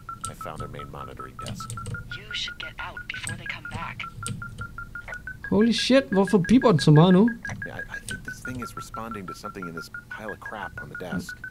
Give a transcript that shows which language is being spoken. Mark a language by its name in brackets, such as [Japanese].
[English] I found their main monitoring desk. You should get out before they come back. Holy shit, [Danish] hvorfor beeper den så meget nu? [English] Yeah, I think this thing is responding to something in this pile of crap on the desk.